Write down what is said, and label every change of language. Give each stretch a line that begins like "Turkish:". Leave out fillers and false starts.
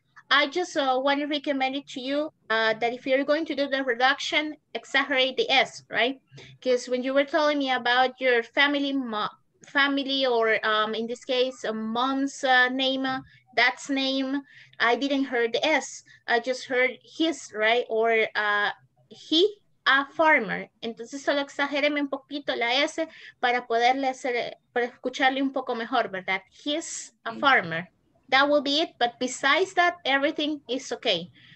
English: I just want to recommend it to you that if you're going to do the reduction, exaggerate the S, right? Because when you were telling me about your family, family or in this case, a mom's name, dad's name, I didn't hear the S. I just heard his, right? Or he. A farmer.
Spanish: Entonces solo exagéreme un poquito la S para poderle hacer, para escucharle un poco mejor, ¿verdad?
English: He's a farmer. That will be it, but besides that, everything is okay.